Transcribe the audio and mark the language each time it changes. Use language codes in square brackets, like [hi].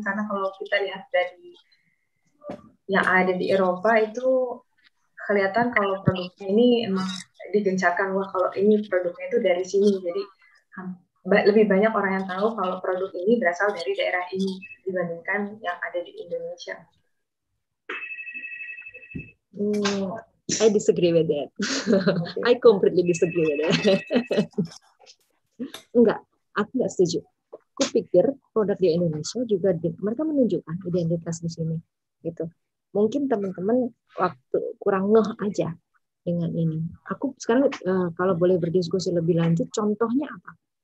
[id] Karena kalau kita lihat dari yang ada di Eropa itu kelihatan kalau produknya ini emang digencarkan, wah kalau ini produknya itu dari sini, jadi lebih banyak orang yang tahu kalau produk ini berasal dari daerah ini dibandingkan yang ada di Indonesia. [en] I disagree with that. Okay. I completely disagree with that. [id] Enggak, aku enggak setuju. Aku pikir produk di Indonesia juga mereka menunjukkan identitas di sini gitu. Mungkin teman-teman waktu kurang ngeh aja dengan ini. Aku sekarang kalau boleh berdiskusi lebih lanjut, contohnya apa?